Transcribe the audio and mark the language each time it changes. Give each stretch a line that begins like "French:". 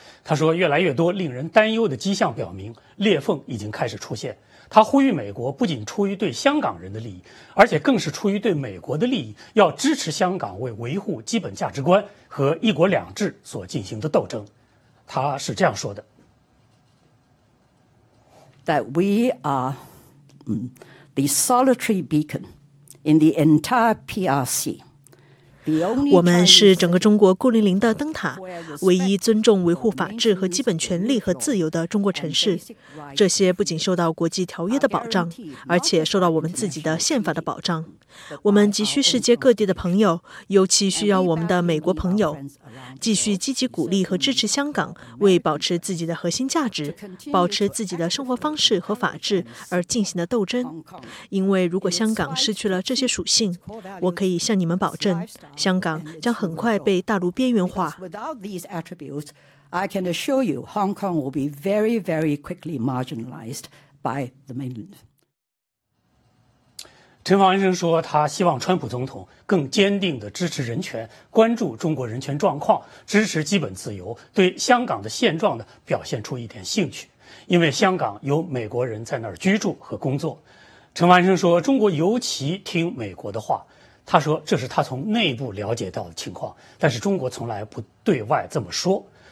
Chinese: 他说越来越多令人担忧的迹象表明裂缝已经开始出现。他呼吁美国不仅出于对香港人的利益，而且更是出于对美国的利益，要支持香港为维护基本价值观和一国两制所进行的斗争。他是这样说的
English: ：“That we are the solitary beacon in the entire PRC.
Chinese: 我们是整个中国孤零零的灯塔，唯一尊重维护法治和基本权利和自由的中国城市。这些不仅受到国际条约的保障，而且受到我们自己的宪法的保障。我们急需世界各地的朋友，尤其需要我们的美国朋友，继续积极鼓励和支持香港为保持自己的核心价值、保持自己的生活方式和法治而进行的斗争。因为如果香港失去了这些属性，我可以向你们保证，香港将很快被大陆边缘化。
English: I can assure you, Hong Kong will be very, very quickly marginalized by the mainland.
Chinese: 陈方先生说，他希望川普总统更坚定地支持人权，关注中国人权状况，支持基本自由，对香港的现状呢表现出一点兴趣，因为香港有美国人在那儿居住和工作。陈方先生说，中国尤其听美国的话。他说，这是他从内部了解到的情况，但是中国从来不对外这么说。